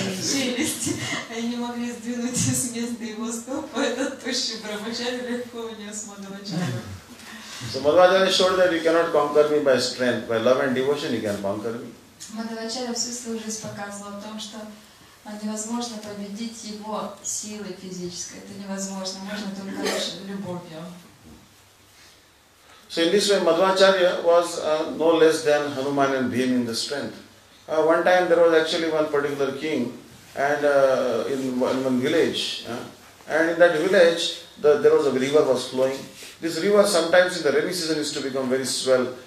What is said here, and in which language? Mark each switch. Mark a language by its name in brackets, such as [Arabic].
[Russian] Челюсти, они могли сдвинуть с места его стоп, а этот тощий Брахмачари легко унес Мадхвачари. [English] So Madhvacharya showed that you cannot conquer me by strength, by love and devotion you can conquer me. [Russian] Мадхвачари всю свою жизнь показывал о том, что невозможно победить его силой физической. Это невозможно, можно только любовью. [English] So in this way, Madhvacharya was no less than Hanuman and Bhim in the strength. One time there was actually one particular king and in one village. And in that village, there was a river was flowing. This river sometimes in the rainy season used to become very swell.